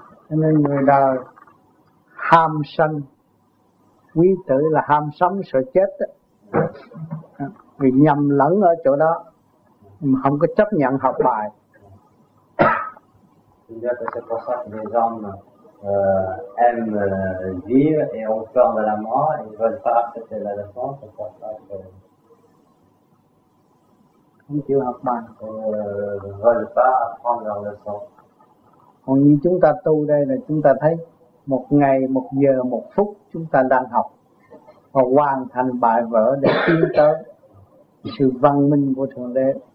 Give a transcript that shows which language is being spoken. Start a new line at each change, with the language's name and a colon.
Vietnamese: Nên người đời ham sanh, quý tử là ham sống sợ chết đó. Vì nhầm lẫn ở chỗ đó mà không có chấp nhận học bài.
French: C'est pour ça que les hommes aiment vivre et ont peur de la mort, ils ne veulent pas accepter la leçon, c'est pour ça que
Vietnamese: không chịu học bài, ils
French: ne veulent pas apprendre leur leçon.
Vietnamese: Còn như chúng ta tu đây là chúng ta thấy một ngày, một giờ, một phút chúng ta đang học và hoàn thành bài vở để tiến tới sự văn minh của Thượng Đế.